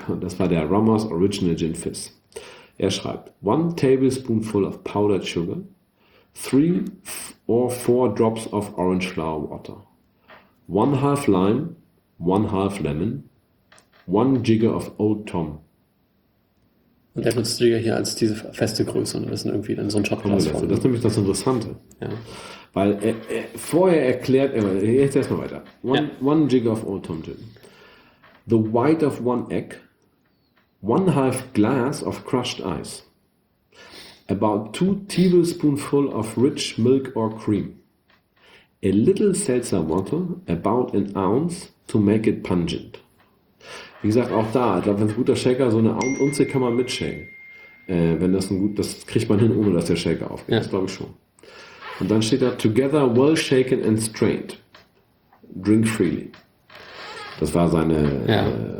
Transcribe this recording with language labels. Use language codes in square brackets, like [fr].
[de] Und das war der Rummer's Original Gin Fizz. Er schreibt, [en] one tablespoonful of powdered sugar, three or four drops of orange flower water, one half lime, one half lemon, one jigger of Old Tom. [de] Und der nutzt du ja hier als diese feste Größe und wissen irgendwie dann so ein Schockglas. Das ist nämlich das Interessante. Ja. Weil vorher erklärt er, jetzt erstmal weiter. [en] One jigger of Old Tom Gin. The white of one egg, one half glass of crushed ice, about two tablespoonful of rich milk or cream, a little seltzer water, about an ounce, to make it pungent. [de] Wie gesagt, auch da, ich glaube, wenn es ein guter Shaker, so eine Unze kann man mitshaken. Wenn das ein gut, das kriegt man hin, ohne dass der Shaker aufgeht. Ja. Das glaube ich schon. Und dann steht da, [en] together well shaken and strained, drink freely. [de] Das war seine, ja.